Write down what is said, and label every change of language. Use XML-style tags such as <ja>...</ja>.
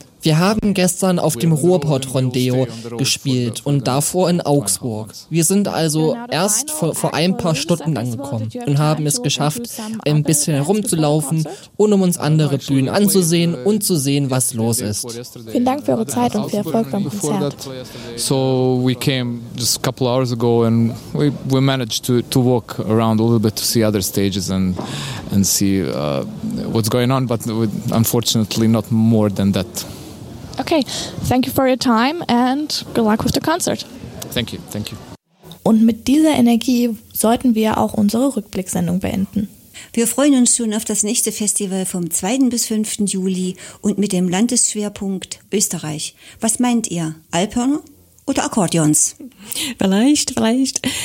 <de>Wir haben gestern auf dem Ruhrpott-Rondeo gespielt und davor in Augsburg. Wir sind also erst vor ein paar Stunden angekommen und haben es geschafft, ein bisschen herumzulaufen und um uns andere Bühnen anzusehen und zu sehen, was los ist. Vielen Dank für eure Zeit und viel Erfolg beim Konzert.</de> <en>So we came just a couple hours ago and we managed to walk around a little bit to see other stages and see what's going on, but unfortunately not more than that. Okay, thank you for your time and good luck with the concert. Thank you.</en> <de>Und mit dieser Energie sollten wir auch unsere Rückblicksendung beenden. Wir freuen uns schon auf das nächste Festival vom 2. bis 5. Juli und mit dem Landesschwerpunkt Österreich. Was meint ihr, Alphörner oder Akkordeons? Vielleicht.</de>